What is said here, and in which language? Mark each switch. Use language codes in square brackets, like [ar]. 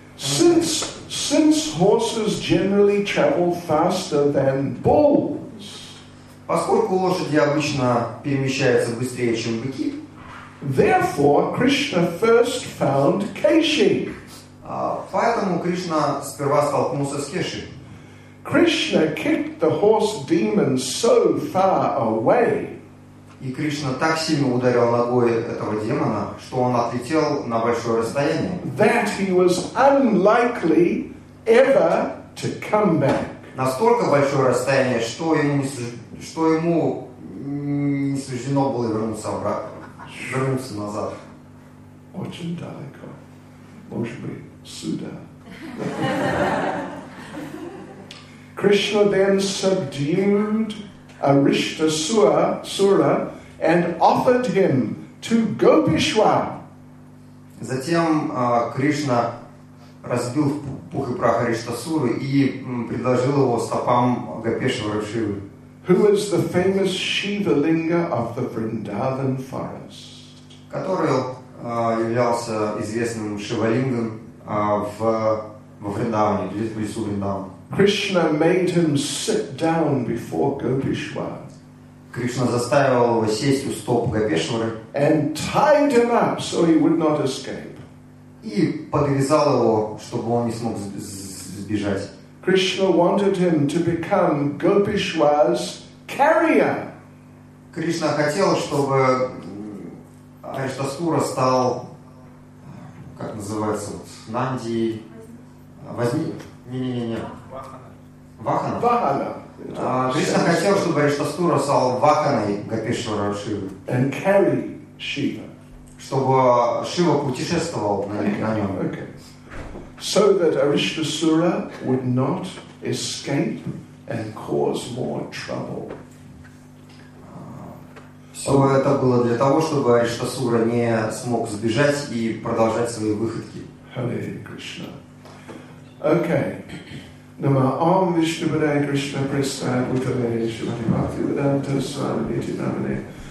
[en] Since horses generally travel faster than bulls, [ru] поскольку лошади обычно перемещаются быстрее, чем быки, [en] therefore Krishna first found Keshi. [ru] Поэтому Кришна сперва столкнулся с Кеши. [en] Krishna kicked the horse demon so far away. [ru] И Кришна так сильно ударил ногой этого демона, что он отлетел на большое расстояние. [en] That he was unlikely ever to come back. [ru] Настолько большое расстояние, что ему не суждено было вернуться обратно, вернуться назад. Очень далеко. Может быть, сюда. [en] Krishna then subdued Arishtasura and offered him to Gopishwar. [ru] Затем Кришна разбил в пух и прах Арештасуру и предложил его стопам Гопишвара Шивы. [en] Who is the famous Shiva Linga of the Vrindavan forest? [ru] Который являлся известным Шивалингом в Вриндаване, в лесу Вриндавана. [en] Krishna made him sit down before Gopishwar. [ru] Кришна заставил его сесть у стоп Гопишвары. [en] And tied him up so he would not escape. [ru] и подвязал его, чтобы он не смог сбежать. [en] Krishna wanted him to become Gopishwar's carrier. [ru] Кришна хотел, чтобы Арештасура стал, как называется, Нанди, Вахана. Кришна хотел, чтобы Арештасура стал Ваханой Гопишвара Шивы. [en] And carry Shiva. [ru] Чтобы Шива путешествовал на нем. [en] Okay. So that Arishtasura would not escape and cause more trouble. [ru] Все это было для того, чтобы Арештасура не смог сбежать и продолжать свои выходки. [sa] Hare Krishna. Okay. Nama Om Vishnu Padaya Krishna Prasad Uttamaya Shrimati Bhakti Vedanta Swami Niti Namane.